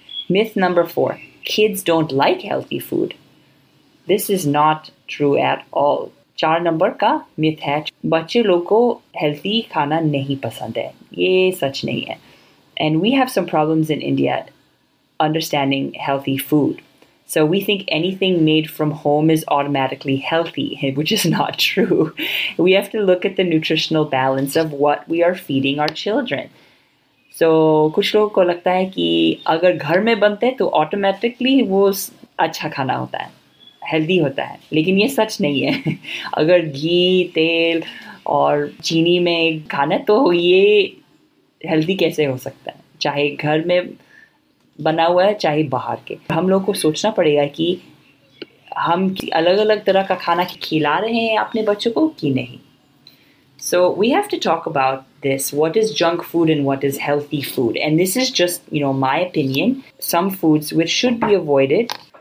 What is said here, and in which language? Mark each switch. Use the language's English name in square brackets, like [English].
[English] Myth number 4, kids don't like healthy food. This is not true at all. [Hindi] 4 number का myth है, बच्चे लोग को हेल्थी खाना नहीं पसंद है. ये सच नहीं है. [English] And we have some problems in India understanding healthy food. So we think anything made from home is automatically healthy, which is not true. We have to look at the nutritional balance of what we are feeding our children. [Hindi] So kuch logo ko lagta hai ki agar ghar mein bante to automatically wo acha khana hota hai, healthy hota hai, lekin ye sach nahi hai. Agar ghee, tel aur chini mein khana to ye healthy kaise ho sakta hai, chahe ghar mein बना हुआ है चाहे बाहर के. हम लोगों को सोचना पड़ेगा कि हम अलग अलग तरह का खाना खिला रहे हैं अपने बच्चों को कि नहीं. [English] So we have to talk about this, what is junk food and what is healthy food. And this is just, you know, my opinion, some foods which should be avoided.